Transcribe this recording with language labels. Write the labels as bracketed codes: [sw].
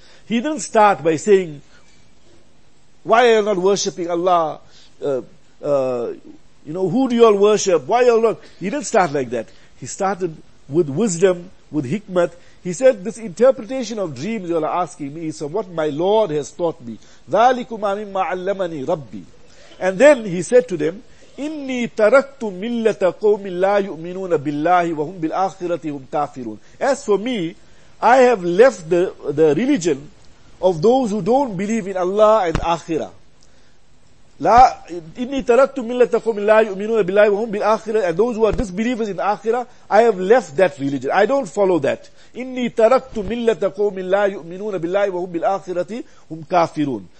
[en] He didn't start by saying, why are you not worshipping Allah? You know, who do you all worship? Why are you all not? He didn't start like that. He started with wisdom, with hikmat. He said, this interpretation of dreams you all are asking me is from what my Lord has taught me. [ar] ذَلِكُمَا مِمَّا عَلَّمَنِي رَبِّي. [en] And then he said to them, [ar] إِنِّي تَرَكْتُ مِلَّةَ قَوْمٍ لَا يُؤْمِنُونَ بِاللَّهِ وَهُمْ بِالْآخِرَةِ هُمْ كَافِرُونَ. [en] As for me, I have left the religion of those who don't believe in Allah and Akhirah. [ar] إِنِّي تَرَكْتُ مِلَّةَ قَوْمٍ لَا يُؤْمِنُونَ بِاللَّهِ وَهُمْ بِالْآخِرَةِ. [en] And those who are disbelievers in Akhirah, I have left that religion. I don't follow that. [ar] إِنِّي تَرَكْتُ مِلَّةَ قَوْمٍ لَا يُؤْمِنُونَ بِاللَّهِ وَهُمْ بِالْآخِرَةِ هُمْ كَافِرُونَ.